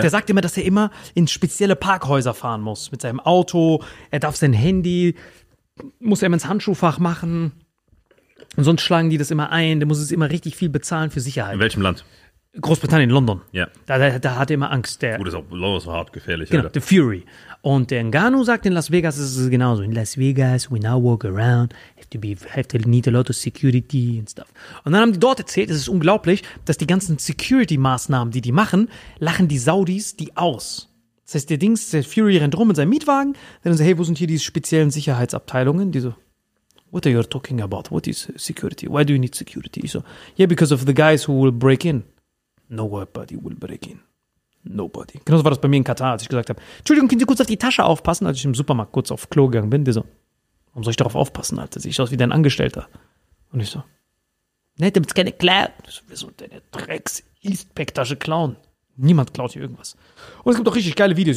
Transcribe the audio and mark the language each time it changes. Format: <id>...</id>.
<de>Der sagt immer, dass er immer in spezielle Parkhäuser fahren muss mit seinem Auto. Er darf sein Handy muss er ins Handschuhfach machen. Und sonst schlagen die das immer ein. Der muss es immer richtig viel bezahlen für Sicherheit. In welchem Land? Großbritannien, London. Ja. Da hat er immer Angst. Gut, ist auch London so hart gefährlich. Genau, Alter. The Fury. Und der Ngannou sagt, in Las Vegas ist es genauso.</de> <en>In Las Vegas, we now walk around, have to need a lot of security and stuff.</en> <de>Und dann haben die dort erzählt, es ist unglaublich, dass die ganzen Security-Maßnahmen, die machen, lachen die Saudis die aus. Das heißt, der Fury rennt rum in seinem Mietwagen, dann sagt, hey, wo sind hier die speziellen Sicherheitsabteilungen? Die so,</de> <en>what are you talking about? What is security? Why do you need security? So, yeah, because of the guys who will break in. Nobody will break in. Nobody.</en> <de>Genauso war das bei mir in Katar, als ich gesagt habe, Entschuldigung, können Sie kurz auf die Tasche aufpassen, als ich im Supermarkt kurz auf Klo gegangen bin. Die so, warum soll ich darauf aufpassen, Alter? Sieht aus wie dein Angestellter. Und ich so, ne, damit's keine klärt. So, wieso deine Drecks-Eastpack-Tasche klauen? Niemand klaut hier irgendwas. Und es gibt auch richtig geile Videos.</de>